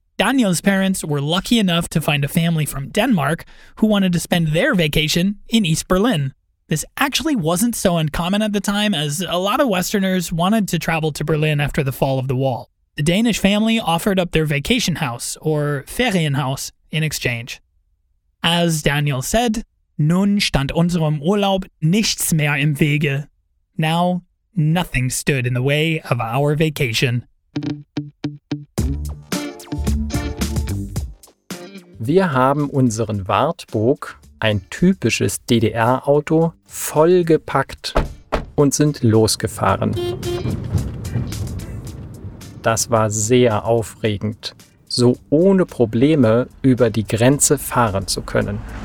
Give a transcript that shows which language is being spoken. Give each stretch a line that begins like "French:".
English: Daniel's parents were lucky enough to find a family from Denmark who wanted to spend their vacation in East Berlin. This actually wasn't so uncommon at the time, as a lot of Westerners wanted to travel to Berlin after the fall of the wall. The Danish family offered up their vacation house, or Ferienhaus, in exchange. As Daniel said,
German: nun stand unserem Urlaub nichts mehr im Wege.
English: Now, nothing stood in the way of our vacation.
German: Wir haben unseren Wartburg, ein typisches DDR-Auto, vollgepackt und sind losgefahren. Das war sehr aufregend, so ohne Probleme über die Grenze fahren zu können.